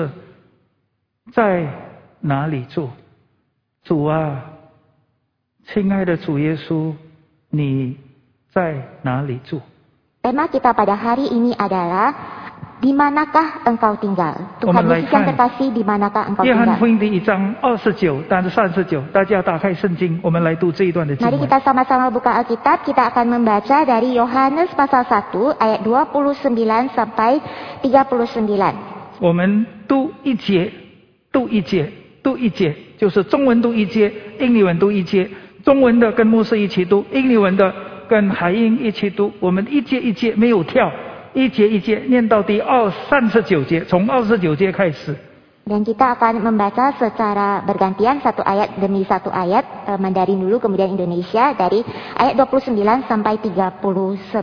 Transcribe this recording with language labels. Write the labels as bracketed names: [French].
[Chinese] 我们今天的主题就是在哪里住？主啊， 亲爱的主耶稣， 你在哪里住？ [Indonesian] Tema kita pada hari ini adalah di manakah engkau tinggal? Tuhan Yesus yang terkasih, di manakah engkau tinggal? [Chinese] Yohanes 1:29-39, 大家打开圣经, 我们来读这一段的经文。 [Indonesian] Mari kita sama-sama buka Alkitab, kita akan membaca dari Yohanes pasal 1 ayat 29 sampai 39. [Chinese] 我们读一节，读一节，读一节，就是中文读一节，英文读一节，中文的跟牧师一起读，英文的跟海英一起读，我们一节一节没有跳。一节一节念到第二三十九节，从二十九节开始。 [Indonesian] Dan kita akan membaca secara bergantian satu ayat demi satu ayat, Mandarin dulu kemudian Indonesia, dari ayat 29 sampai 39.